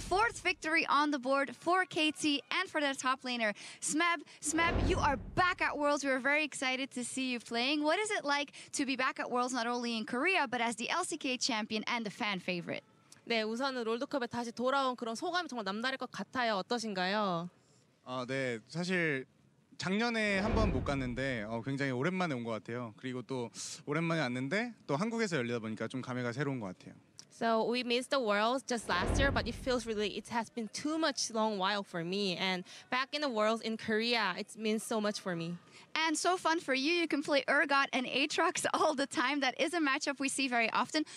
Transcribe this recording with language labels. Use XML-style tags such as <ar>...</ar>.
<en>Fourth victory on the board for KT and for the top laner, Smeb. Smeb, you are back at Worlds. We are very excited to see you playing. What is it like to be back at Worlds, not only in Korea, but as the LCK champion and the fan favorite?</en> <ko>네, 우선은 롤드컵에 다시 돌아온 그런 소감이 정말 남다를 것 같아요. 어떠신가요? 네, 사실 작년에 한 번 못 갔는데 굉장히 오랜만에 온 것 같아요. 그리고 또 오랜만에 왔는데 또 한국에서 열리다 보니까 좀 감회가 새로운 것 같아요.</ko> <en>So we missed the Worlds just last year, but it feels really, it has been too much long while for me. And back in the Worlds in Korea, it means so much for me. And so fun for you. You can play Urgot and Aatrox all the time. That is a matchup we see very often.</en>